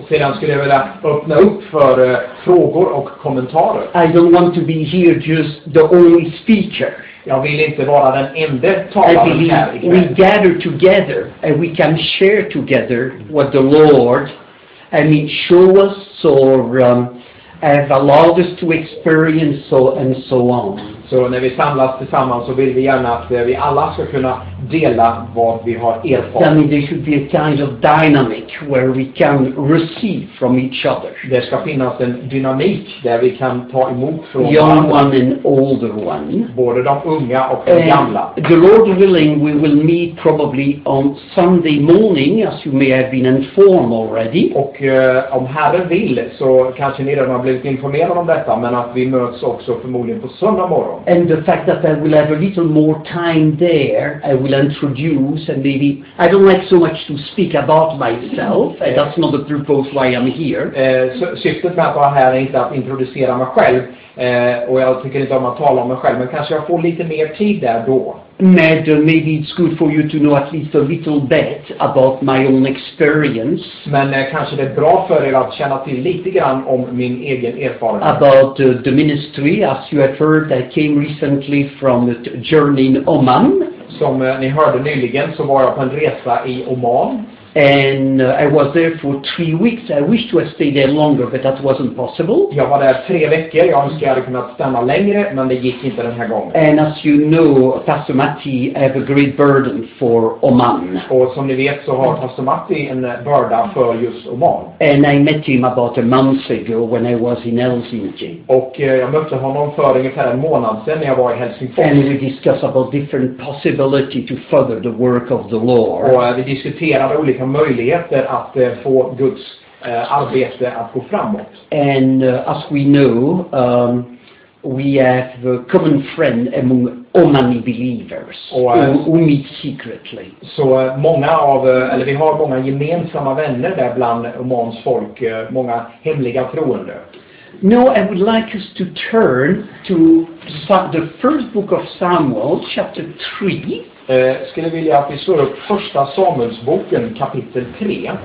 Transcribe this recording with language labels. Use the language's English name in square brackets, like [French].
[Swedish] Och sedan skulle jag vilja öppna upp för frågor och kommentarer. [English] I don't want to be here just the only speaker. [Swedish] Jag vill inte vara den enda talaren här ikväll. [English] We gather together and we can share together what the Lord, I mean, show us or have allowed us to experience so and so on. [Swedish] Så när vi samlas tillsammans så vill vi gärna att vi alla ska kunna dela vad vi har erfarit. [English] I mean, there should be a kind of dynamic where we can receive from each other. [Swedish] Det ska finnas en dynamik där vi kan ta emot från [English] young one and older one. [Swedish] Både de unga och de gamla. [English] The Lord willing, we will meet probably on Sunday morning, as you may have been informed already. [Swedish] Och om Herren vill så kanske ni redan har blivit informerade om detta, men att vi möts också förmodligen på söndag morgon. [English] And the fact that I will have a little more time there, I will introduce, and maybe I don't like so much to speak about myself, and that's not the purpose why I'm here. [Swedish] Syftet med att vara här är inte att introducera mig själv, och jag tycker inte om att tala om mig själv, men kanske jag får lite mer tid där då. [English] Ned, maybe it's good for you to know at least a little bit about my own experience. [Swedish] Men kanske det är bra för er att känna till lite grann om min egen erfarenhet. [English] About the ministry, as you have heard, I came recently from a journey in Oman. [Swedish] Som ni hörde nyligen så var jag på en resa i Oman. [English] And I was there for 3 weeks. I wished to have stayed there longer, but that wasn't possible. [Swedish] Jag var där 3 veckor. Jag önskade jag hade kunnat stanna längre, men det gick inte den här gången. [English] And as you know, Pastor Matti, I have a great burden for Oman. [Swedish] Och som ni vet så har Pastor Matti en börda för just Oman. [English] And I met him about a month ago when I was in Helsinki. [Swedish] Och jag mötte honom för ungefär en månad sedan när jag var i Helsingfors. [English] And we discussed about different possibility to further the work of the Lord. [Swedish] Och vi diskuterade olika möjligheter att få Guds arbete att gå framåt. [English] And as we know, we have a common friend among Omani believers who meet secretly. [Swedish] Så många av eller vi har många gemensamma vänner där bland Omans folk, många hemliga troende. [English] Now I would like us to turn to the first book of Samuel, chapter 3. [Swedish] Skulle vilja att vi slår upp första Samuelsboken kapitel 3.